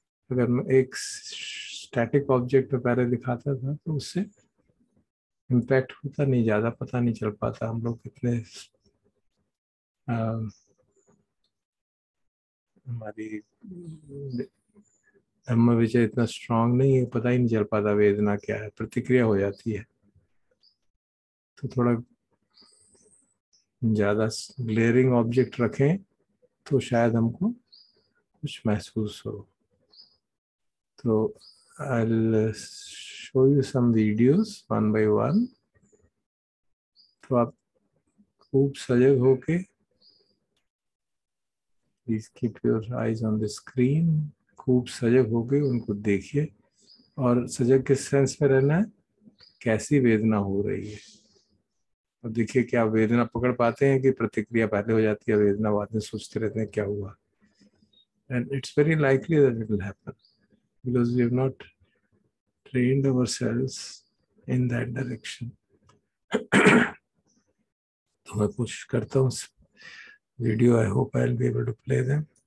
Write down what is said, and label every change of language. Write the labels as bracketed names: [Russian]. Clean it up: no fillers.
[Hindi] अगर मैं एक स्टैटिक ऑब्जेक्ट पे पहले दिखाता था तो उससे इम्पैक्ट होता नहीं, ज्यादा पता नहीं चल पाता हम लोग कितने हमारी धम्म विजय इतना स्ट्रांग नहीं है, पता ही नहीं चल पाता वेदना क्या है, प्रतिक्रिया हो जाती है। तो थोड़ा ज्यादा ग्लेयरिंग ऑब्जेक्ट रखें तो शायद हमको कुछ महसूस हो। [English] तो I'll show you some videos one by one. [Hindi] तो आप खूब सजग होके [English] please keep your eyes on the screen, [Hindi] खूब सजग होके उनको देखिए। और सजग किस सेंस में रहना है, कैसी वेदना हो रही है। अब देखिए क्या वेदना पकड़ पाते हैं कि प्रतिक्रिया पहले हो जाती है, वेदना बाद में सोचते रहते हैं क्या हुआ। [English] And it's very likely that it will happen. Because we have not trained ourselves in that direction. [Hindi] तो मैं कोशिश करता हूँ [English] Video, I hope I will be able to play them.